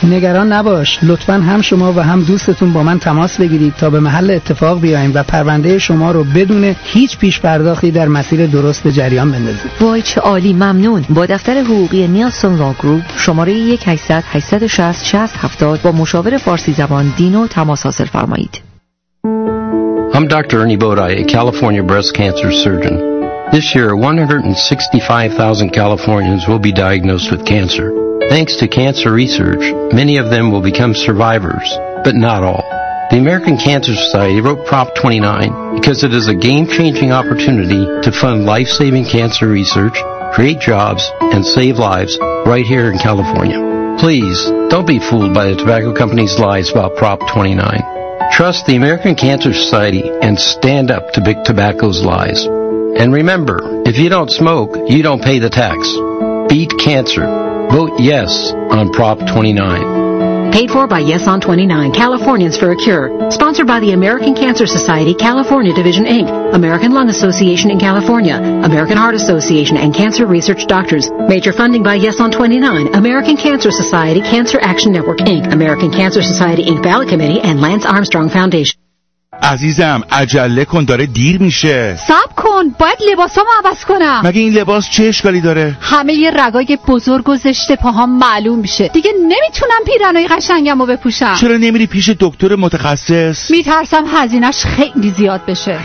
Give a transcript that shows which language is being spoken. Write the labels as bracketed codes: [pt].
[fa] نگران نباش، لطفاً هم شما و هم دوستتون با من تماس بگیرید تا به محل اتفاق بیایم و پرونده شما رو بدون هیچ پیش پرداختی در مسیر درست به جریان بندازیم. وای چه عالی، ممنون. با دفتر حقوقی نیلسون لا گروپ شماره 1-800-860-670 با مشاور فارسی زبان دینو تماس حاصل فرمایید. [en] I'm Dr. Ernie Bodai, a California breast cancer surgeon. This year, 165,000 Californians will be diagnosed with cancer. Thanks to cancer research, many of them will become survivors, but not all. The American Cancer Society wrote Prop 29 because it is a game-changing opportunity to fund life-saving cancer research, create jobs, and save lives right here in California. Please, don't be fooled by the tobacco company's lies about Prop 29. Trust the American Cancer Society and stand up to Big Tobacco's lies. And remember, if you don't smoke, you don't pay the tax. Beat cancer. Vote yes on Prop 29. Paid for by Yes on 29, Californians for a Cure. Sponsored by the American Cancer Society, California Division, Inc., American Lung Association in California, American Heart Association, and Cancer Research Doctors. Major funding by Yes on 29, American Cancer Society, Cancer Action Network, Inc., American Cancer Society, Inc., Ballot Committee, and Lance Armstrong Foundation. [fa] عزیزم عجله کن، داره دیر میشه. صبر کن. جون باید لباسامو عوض کنم. مگه این لباس چه اشکالی داره؟ همه یه رگای بزرگ و زشت پاهام معلوم میشه. دیگه نمیتونم پیرنای قشنگمو بپوشم. چرا نمیری پیش دکتر متخصص؟ میترسم هزینه‌اش خیلی زیاد بشه.